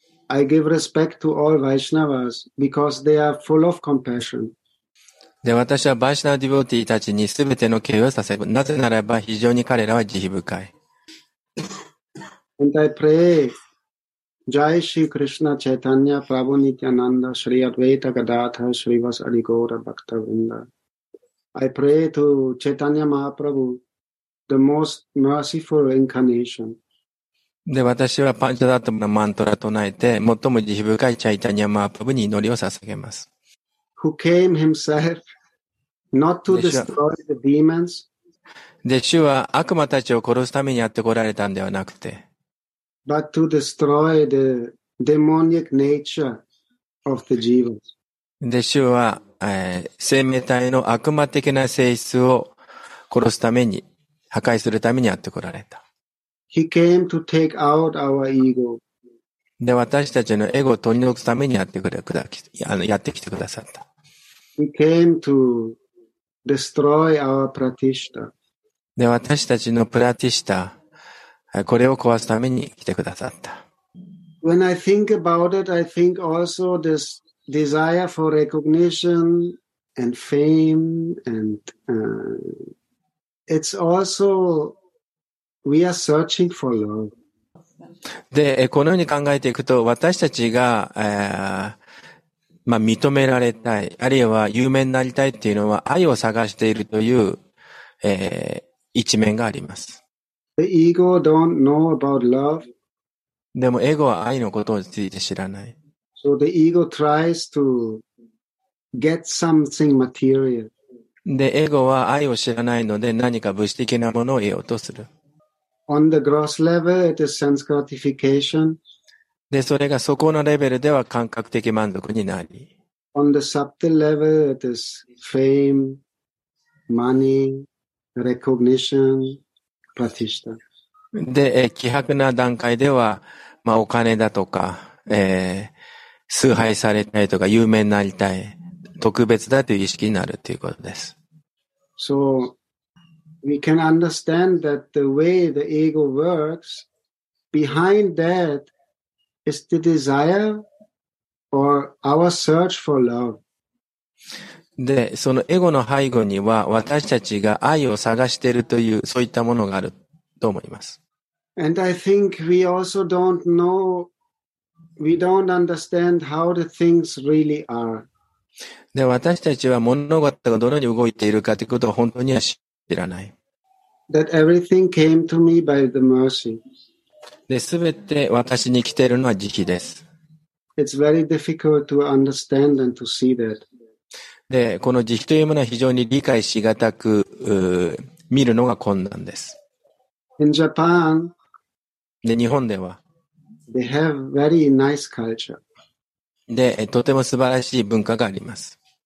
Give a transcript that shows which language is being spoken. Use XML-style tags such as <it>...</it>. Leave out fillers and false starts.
<en>I give respect to all Vaishnavas because they are full of compassion.</en> <ja>で、私は Vaishnava devotee たちに全ての敬意をさせる。なぜならば非常に彼らは慈悲深い。</ja> <en>And I pray,Jai Shri Krishna Chaitanya Prabhu Nityananda Shri Advaita Gadadhara Srivas Arigora Bhakta Vrinda. I pray to Chaitanya Mahaprabhu, the most merciful incarnation.</en> <ja>で、私はパンチャダトムのマントラを唱えて、最も慈悲深いチャイタニア・マハプラブに祈りを捧げます。</ja> <en>Who came himself not to destroy the demons.</en> <ja>で、主は悪魔たちを殺すためにやってこられたんではなくて、</ja> <en>But to destroy the demonic nature of the jivas.</en> <ja>で、主は、生命体の悪魔的な性質を殺すために、破壊するためにやってこられた。</ja> <en>He came to take out our ego.</en> <ja>で、私たちのエゴを取り除くためにやってきてくださった。</ja> <en>He came to destroy our pratishta.</en> <ja>で、私たちのプラティシタ、これを壊すために来てくださった。</ja> <en>When I think about it, I think also this desire for recognition and fame and, it's also, we are searching for love.</en> <ja>で、このように考えていくと、私たちが、まあ、認められたい、あるいは有名になりたいっていうのは、愛を探しているという、一面があります。</ja> <en>The ego don't know about love.</en> <ja>でも、エゴは愛のことについて知らない。</ja> <en>So the ego tries to get something material.</en> <ja>で、エゴは愛を知らないので、何か物質的なものを得ようとする。</ja> <en>On the gross level, it is sense gratification.</en> <ja>で、それがそこのレベルでは感覚的満足になり。</ja> <en>On the subtle level, it is fame, money, recognition, pratishta.</en> <ja>で、希薄な段階では、まあ、お金だとか、崇拝されたいとか、有名になりたい、特別だという意識になるということです。</ja> <en>So, we can understand that the way the ego works, behind that,Is the desire or our search for love?</en> <ja>で、そのエゴの背後には私たちが愛を探しているというそういったものがあると思います。</ja> <en>And I think we also don't know, we don't understand how the things really are.</en> <ja>で、私たちは物事がどのように動いているかということを本当には知らない。</ja> <en>That everything came to me by the mercy.</en> <ja>で、すべて私に来ているのは慈悲です。</ja> <en>It's very difficult to understand and to see that.</en> <ja>で、この慈悲というものは非常に理解しがたく、見るのが困難です。</ja> <en>In Japan,</en> <ja>で、日本では、</ja> <en>they have very nice culture.</en> <ja>で、とても素晴らしい文化があります。</ja>